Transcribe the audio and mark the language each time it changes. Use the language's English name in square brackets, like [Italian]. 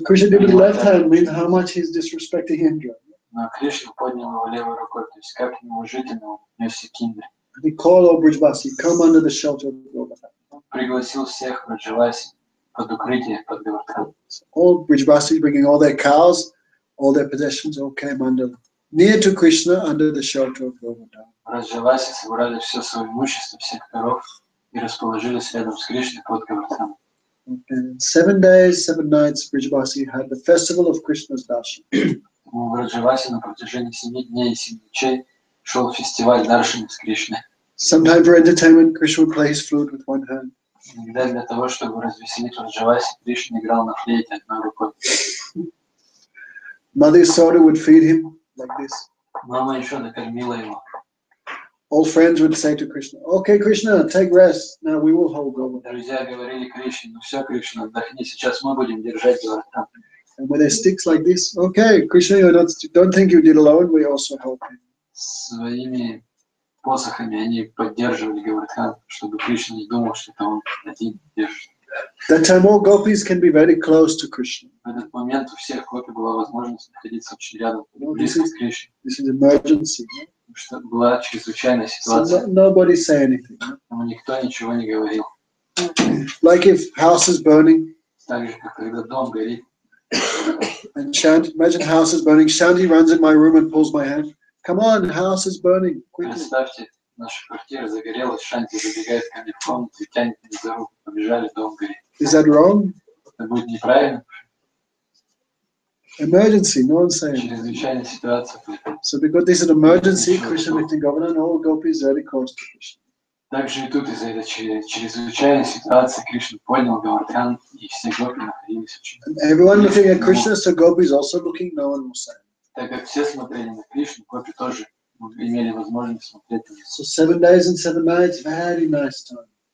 [English] Krishna did with left hand mean how much he's disrespecting Indra. And he called all Brijvasi, come under the shelter of Govardhan. All Brijvasi bringing all their cows, all their possessions, all came under, near to Krishna, under the shelter of Govardhan. [Russian] и расположились рядом с Кришной под Говардханом. [English] And 7 days, 7 nights, Vrijavasi had the festival of Krishna's darshan. [Russian] У Vrijavasi на протяжении 7 дней и 7 ночей шел фестиваль даршана с Кришной. [English] Sometimes for entertainment, Krishna would play his flute with one hand. [Russian] Иногда для того, чтобы развеселить Vrijavasi, Кришна играл на флейте одной рукой. [English] Mother Yasoda would feed him like this. [Russian] Мама еще накормила его. [English] All friends would say to Krishna, "Okay, Krishna, take rest. Now we will hold Govardhan." [Russian] Друзья говорили Кришне, ну все, Кришна, отдохни. Сейчас мы будем держать Говардхан. [English] And with their sticks like this, "Okay, Krishna, you don't think you did alone. We also help you." [Russian] Своими посохами они поддерживали Говардхан, чтобы Кришна не думал, что это он один держит. [English] That time all gopis can be very close to Krishna. [Russian] В этот момент у всех гопи была возможность находиться очень рядом, близко с Кришной. [English] This is emergency. [Russian] Что была чрезвычайная ситуация. [English] So nobody say anything. [Russian] Но никто ничего не говорил. [English] Like if house is burning. [Russian] Так же, как когда дом горит. [English] And Shanti, imagine house is burning. Shanti runs in my room and pulls my hand. Come on, house is burning. Quickly. [Russian] Представьте, наша квартира загорелась. Shanti забегает ко мне в комнату и тянет меня за руку. Побежали, дом горит. [English] Is that wrong? [Russian] Это будет неправильно. [English] Emergency, no one's saying. [Russian] Чрезвычайная ситуация. [English] So because this is an emergency, Krishna meeting Govardhan, all gopis very close to Krishna. [Russian] Также и тут из-за этой чрезвычайной ситуации Кришна понял Говардхан и все гопи находились очень. [English] And everyone looking at Krishna, so gopis also looking, no one was saying. [Russian] Так как все смотрели на Кришну, гопи тоже имели возможность смотреть. [English] So 7 days and 7 nights, very nice time.